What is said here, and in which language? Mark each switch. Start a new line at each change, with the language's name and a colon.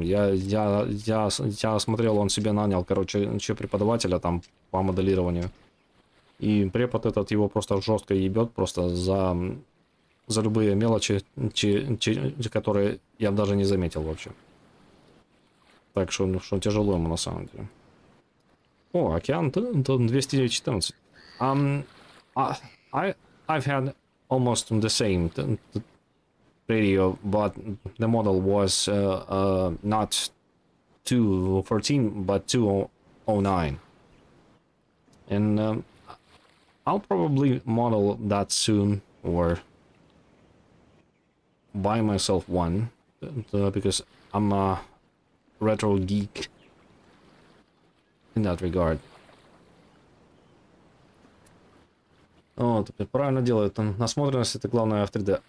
Russian: Я смотрел, он себе нанял, короче, еще преподавателя там по моделированию. И препод этот его просто жестко ебет, просто за любые мелочи, которые я даже не заметил вообще. Так что, тяжело ему на самом деле. О, океан, то 214.
English: I've had almost the same radio, but the model was not 214, but 209. And I'll probably model that soon, or buy myself one, because I'm a retro geek in that regard.
Russian: О, теперь правильно делают. Насмотренность — это главное в 3D.